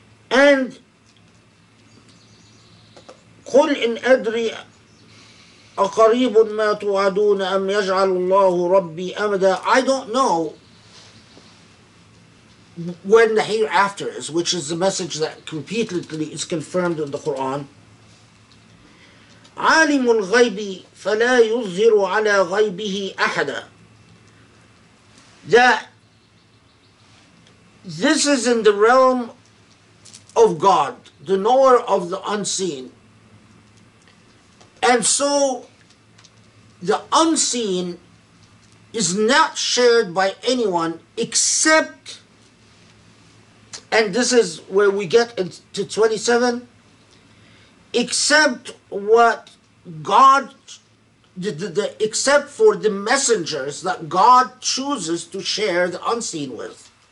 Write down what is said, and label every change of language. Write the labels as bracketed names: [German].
[Arabic] And قل إن أدري أقريب ما توعدون أم يجعل الله ربي أمدا. [English] I don't know when the hereafter is, which is the message that completely is confirmed in the Quran. [Arabic] عالم الغيب فلا يظهر على غيبه أحدا. [English] That this is in the realm of God, the knower of the unseen. And so the unseen is not shared by anyone except, and this is where we get into 27, except what God, except for the messengers that God chooses to share the unseen with.